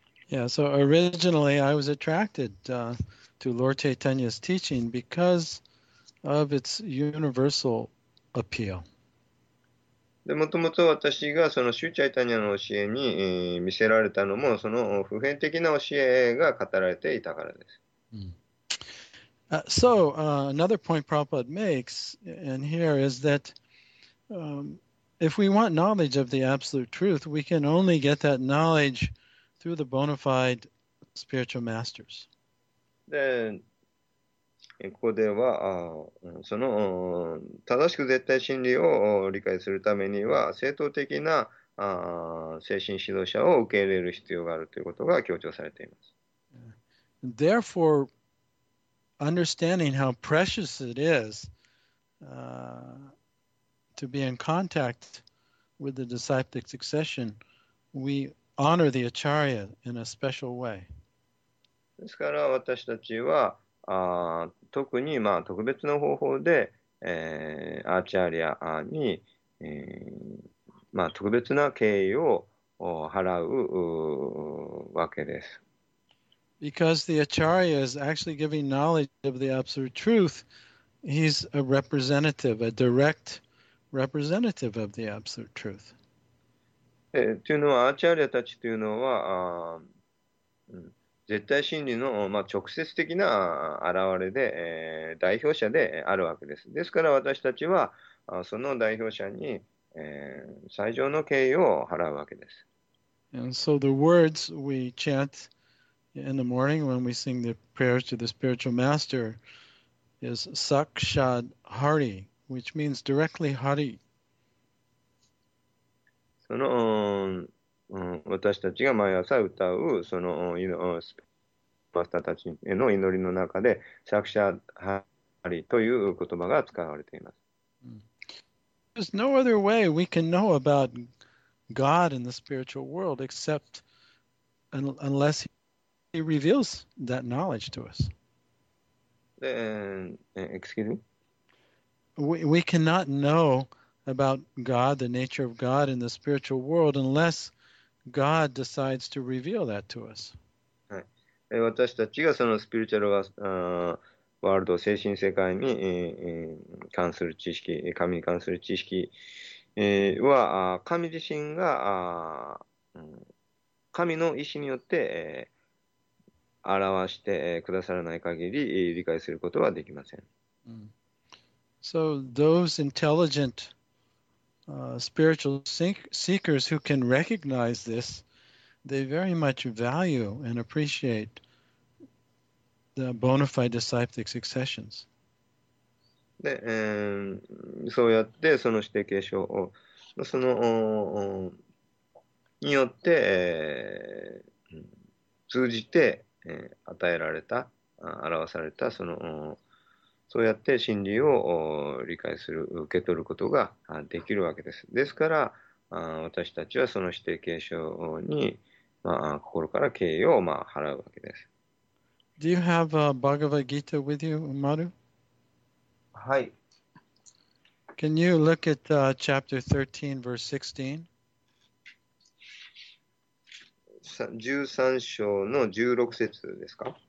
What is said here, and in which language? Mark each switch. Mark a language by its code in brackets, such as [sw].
[en] Yeah, so originally I was attracted to Lord Chaitanya's teaching because of its universal appeal. [ja] で、もともと私がそのシュチャイタニアの教えに見せられたのも、その普遍的な教えが語られていたからです。 [en] So, another point Prabhupada makes in here is that if we want knowledge of the absolute truth, we can only get that knowledge through the bona fide spiritual masters. [ja] で、ここでは、その正しく絶対真理を理解するためには、正当的な精神指導者を受け入れる必要があるということが強調されています。 [en] Therefore, understanding how precious it is to be in contact with the disciplic succession, we honor the acharya in a special way. [ja] ですから私たちは特に、まあ、特別な方法で、アーチャリアに、まあ、特別な敬意を払うわけです。 [en] Because the Acharya is actually giving knowledge of the absolute truth, he's a representative, a direct representative of the absolute truth. [ja] というのは、アーチャリアたちというのは、絶対真理の、まあ、直接的な現れで、代表者であるわけです。ですから私たちは、その代表者に、最上の敬意を払うわけです。 [en] And so the words we chant in the morning when we sing the prayers to the spiritual master is Sakshad Hari, which means directly Hari. [ja] その、私たちが毎朝歌うそのスパスターたちへの祈りの中でサクシャハリという言葉が使われています。 [en] There's no other way we can know about God in the spiritual world except unless he reveals that knowledge to us. Excuse me? We cannot know about God, the nature of God in the spiritual world unlessGod decides to reveal that to us. [ja] 私たちがそのスピリチュアルワールド、精神世界に関する知識、神に関する知識は、神自身が神の意思によって表してくださらない限り理解することはできません。 [en] So those intelligentspiritual seekers who can recognize this, they very much value and appreciate the bona fide disciplic successions. [ja] で、そうやってその指定継承をそのによって、通じて、与えられた表されたそのそうやって真理を理解する、受け取ることができるわけです。ですから、私たちはその指定継承に、まあ、心から敬意を、まあ、払うわけです。 [en] Do you have a Bhagavad Gita with you, Maru? [ja] はい。 [en] Can you look at chapter 13, verse 16? [ja] 13章の16節ですか？